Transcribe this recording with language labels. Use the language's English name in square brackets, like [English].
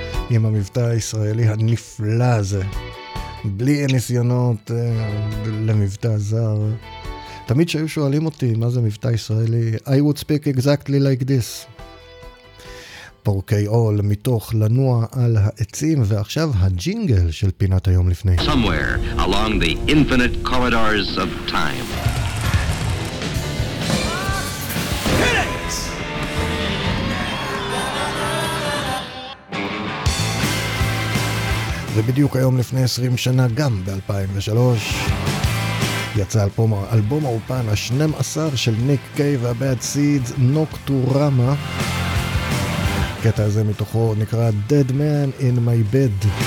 [Hebrew] עם המבטא הישראלי הנפלא הזה בלי ניסיונות למבטא זר תמיד שהיו שואלים אותי מה זה מבטא ישראלי [English] I would speak exactly like this [Hebrew] פורקי עול מתוך לנוע על העצים ועכשיו הג'ינגל של פינת היום לפני [English] Somewhere along the infinite corridors of time [Hebrew] ובדיוק היום לפני 20 שנה, גם ב-2003, יצא אלבום האופן ה-12 של ניק קייב והבאד סידס, נוקטורמה. קטע הזה מתוכו נקרא Dead Man in My Bed.